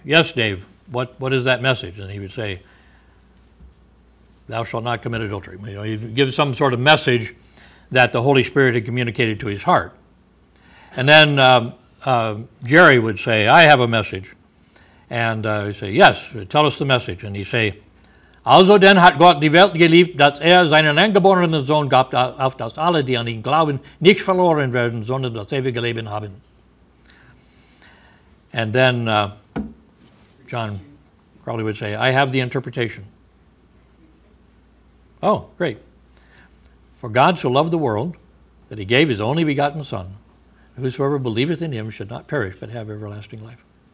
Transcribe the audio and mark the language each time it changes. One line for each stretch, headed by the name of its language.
English: Yes, Dave, what is that message? And he would say, thou shalt not commit adultery. You know, he'd give some sort of message that the Holy Spirit had communicated to his heart. And then Jerry would say, I have a message. And he'd say, yes, tell us the message. And he'd say,
German: also denn hat Gott die Welt geliebt, dass seinen eingeborenen Sohn gab, auf dass alle, die an ihn glauben, nicht verloren werden, sondern das ewige Leben haben.
English: And then John Crowley would say, I have the interpretation. Oh, great. For God so loved the world that he gave his only begotten Son, whosoever believeth in him should not perish but have everlasting life.